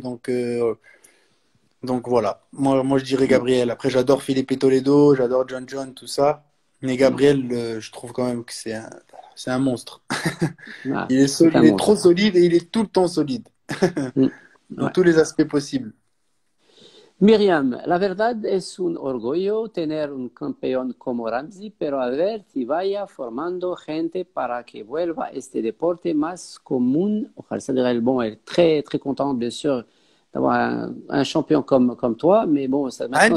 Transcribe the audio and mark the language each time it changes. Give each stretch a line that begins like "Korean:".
French: Donc voilà. Moi, je dirais Gabriel. Après, j'adore Felipe Toledo, j'adore John, tout ça. Mais Gabriel, je trouve quand même que c'est un monstre. Ah, Il est c'est un trop monstre. solide et il est tout le temps solide. Dans Ouais. tous les aspects possibles.
Spanish: Myriam, la verdad es un orgullo tener un campeón como Ramzi, pero a ver si vaya formando gente para que vuelva este deporte más común. Ojalá sea el
French: bon, est très très content, bien sûr, d'avoir un champion comme toi, mais bon, ça, maintenant